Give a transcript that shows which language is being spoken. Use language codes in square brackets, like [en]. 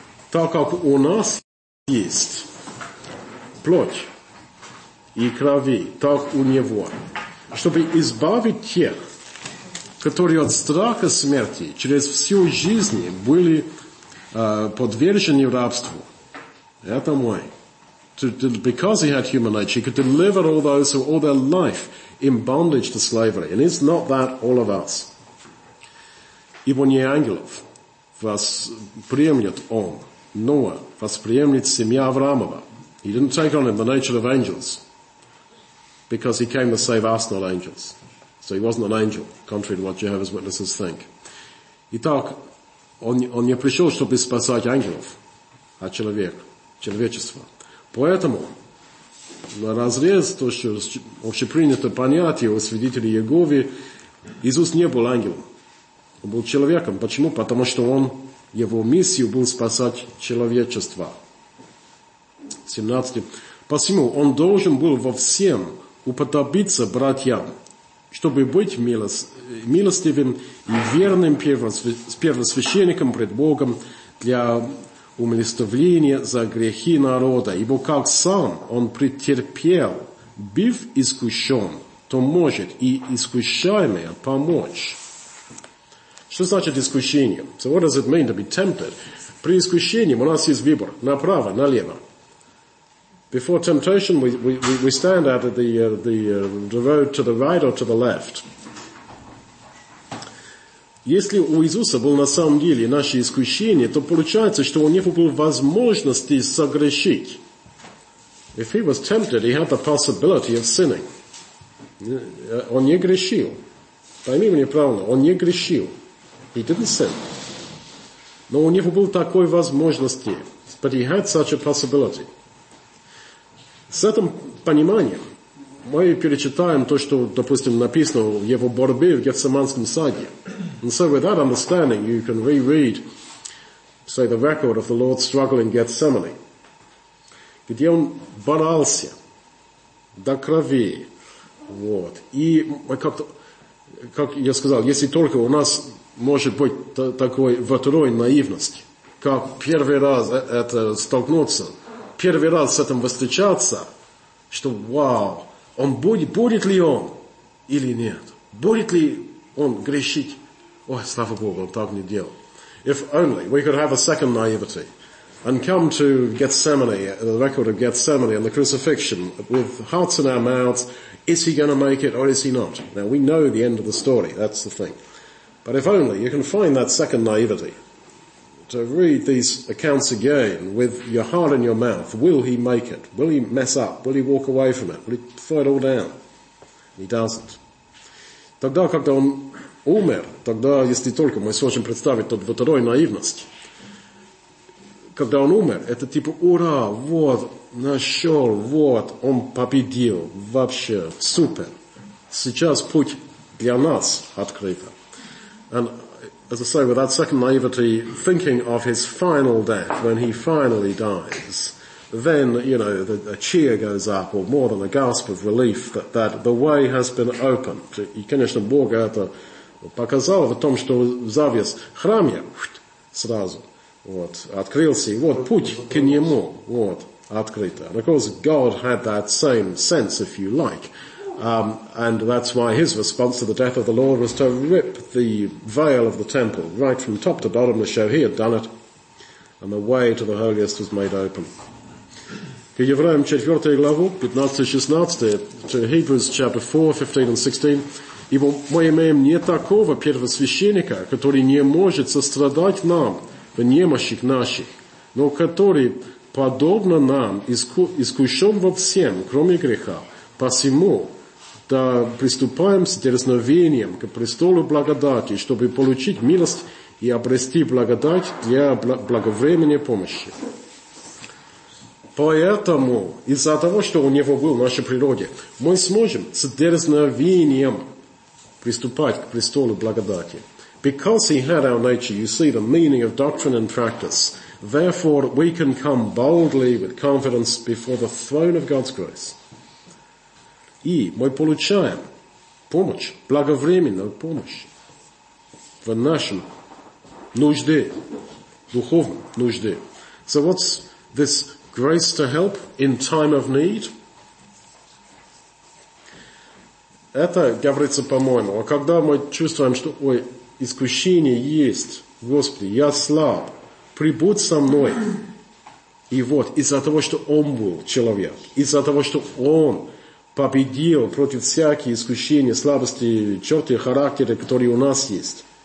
[ru] Так как у нас есть плоть и крови, так у него, чтобы избавить тех, которые от страха смерти через всю жизнь были подвержены рабству. Это мой. [en] Because he had human nature, he could deliver all those who all their life in bondage to slavery. And it's not that all of us. [ru] Ибо не ангелов восприемлет он, но восприемлет семья Авраамова. [en] He didn't take on him the nature of angels because he came to save us, not angels. So he wasn't an angel, contrary to what Jehovah's Witnesses think. [ru] Итак, он не пришел, чтобы спасать ангелов, а человек, человечество. Поэтому на разрез, то, что общепринято понятие у свидетелей Иеговы, Иисус не был ангелом. Он был человеком. Почему? Потому что он, его миссию был спасать человечество. 17. Посему он должен был во всем уподобиться братьям, чтобы быть милостивым и верным первосвященником пред Богом для умилостивления за грехи народа. Ибо как сам он претерпел, быв искушен, то может и искушаемое помочь. Что значит искушение? [en] So what does it mean to be tempted? [ru] При искушении у нас есть выбор направо, налево. [en] Before temptation, we stand at the road to the right or to the left. [ru] Если у Иисуса было на самом деле наше искушение, то получается, что у него было возможности согрешить. [en] If he was tempted, he had the possibility of sinning. [ru] Он не грешил. Пойми меня правильно, он не грешил. [en] He didn't sin. [ru] Но у него было такой возможности. [en] But he had such a possibility. [ru] С этим пониманием мы перечитаем то, что, допустим, написано в его борьбе в Гефсиманском саде. [en] And so with that understanding, you can reread, say, the record of the Lord's struggle in Gethsemane, [ru] где он боролся до крови. Вот. И мы как-то, как я сказал, если только у нас может быть такой второй наивности, как первый раз это столкнуться, первый раз с этим встречаться, что вау, он будет ли он или нет? Будет ли он грешить? Ой, слава Богу, он так не делал. [en] If only we could have a second naivety and come to Gethsemane, the record of Gethsemane and the crucifixion with hearts in our mouths, is he going to make it or is he not? Now we know the end of the story, that's the thing. But if only you can find that second naivety, to read these accounts again with your heart in your mouth. Will he make it? Will he mess up? Will he walk away from it? Will he throw it all down? He doesn't. [ru] Тогда, когда он умер, тогда, если только мы сможем представить тот второй наивность, когда он умер, это типа, ура, вот, нашел, вот, он победил, вообще, супер. Сейчас путь для нас открыт. [en] And as I say, with that second naivety, thinking of his final death, when he finally dies, then, you know, a cheer goes up, or more than a gasp of relief, that the way has been opened. [ru] И, конечно, Бог это показал в том, что завес в храме сразу вот, открылся, и вот путь к нему вот, открыт. [en] And of course, God had that same sense, if you like. And that's why his response to the death of the Lord was to rip the veil of the temple right from top to bottom to show he had done it, and the way to the holiest was made open. [ru] К Евреям 4 главу, 15-16, [en] to Hebrews chapter 4, 15-16, [ru] ибо мы имеем не такого первосвященника, который не может сострадать нам в немощих наших, но который подобно нам искушен во всем, кроме греха, посему да приступаем с дерзновением к престолу благодати, чтобы получить милость и обрести благодать для благовременной помощи. Поэтому, из-за того, что у него был в нашей природе, мы сможем с дерзновением приступать к престолу благодати. [en] Because he had our nature, you see the meaning of doctrine and practice. Therefore, we can come boldly with confidence before the throne of God's grace. [ru] И мы получаем помощь, благовременную помощь в нашем нужде, духовном нужде. [en] So what's this grace to help in time of need? [ru] Это говорится, по-моему, а когда мы чувствуем, что ой, искушение есть, Господи, я слаб, прибудь со мной. И вот, из-за того, что он был человек, из-за того, что он победил против всякие искушения, слабости, черты характера, которые у нас есть.